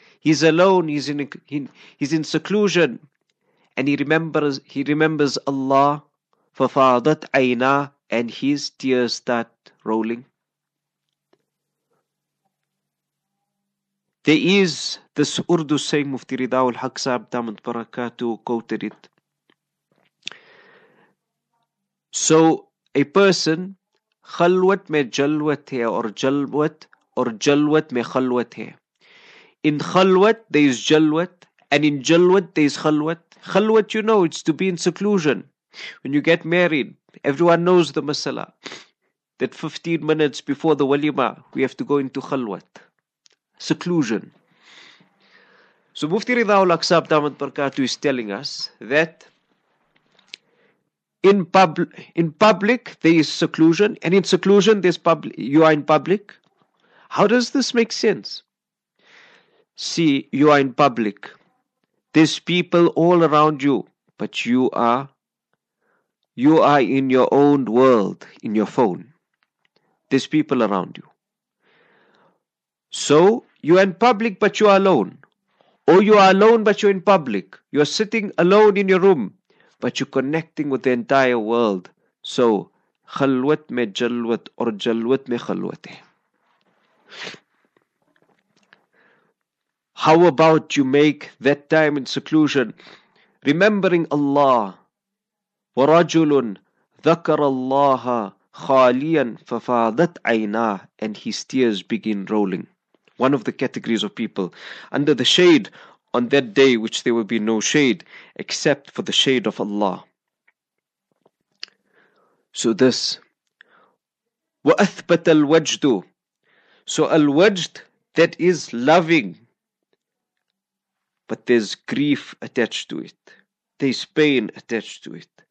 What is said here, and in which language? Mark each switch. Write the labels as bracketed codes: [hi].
[en] He's alone, he's in seclusion, and he remembers Allah, [ar] فَفَاضَتْ عَيْنَا, [en] and his tears start rolling. There is this Urdu saying, Mufti Ridaul Haq Sahib Damat Barakatuh quoted it. So a person, [ur] خلوت میں جلوت ہے اور جلوت اور جلوت میں خلوت ہے. [en] In خلوت there is جلوت and in جلوت دے از خلوت. خلوت you know it's to be in seclusion when you get married. Every one knows the مسئلہ that 15 minutes before the ولیمہ we have to go into خلوت seclusion. So Mufti Razaullah صاحب دامت برکاتہ is telling us that In public, there is seclusion, and in seclusion, there's public. You are in public. How does this make sense? See, you are in public. There's people all around you, but you are in your own world, in your phone. There's people around you. So you are in public, but you are alone, or you are alone, but you're in public. You are sitting alone in your room. But you're connecting with the entire world. So, [ur] خلوت میں جلوت اور جلوت میں خلوت ہے. [en] How about you make that time in seclusion, remembering Allah. [ar] ورجل ذكر الله خاليا ففاضت عيناه [en] and his tears begin rolling. One of the categories of people under the shade on that day which there will be no shade except for the shade of Allah. So this [ar] وَأَثْبَتَ الْوَجْدُ. [en] So الْوَجْد, that is loving, but there's grief attached to it, there's pain attached to it.